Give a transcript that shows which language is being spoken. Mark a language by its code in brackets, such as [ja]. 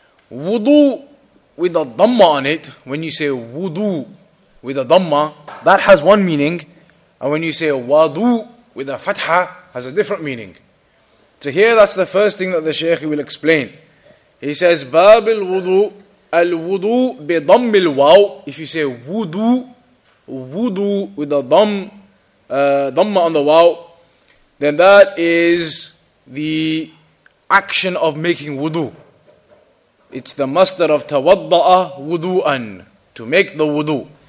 [en] Wudu with a dhamma on it, when you say wudu with a dhamma, that has one meaning. And when you say wadu with a fatha, has a different meaning. So here, that's the first thing that the Shaykh will explain. He says, [ar] باب الوضوء, الوضوء بضم الواو. [en] If you say wudu, wudu with a dhamma on the waw, then that is the action of making wudu. It's the master of tawadda'a wudu'an, to make the wudu.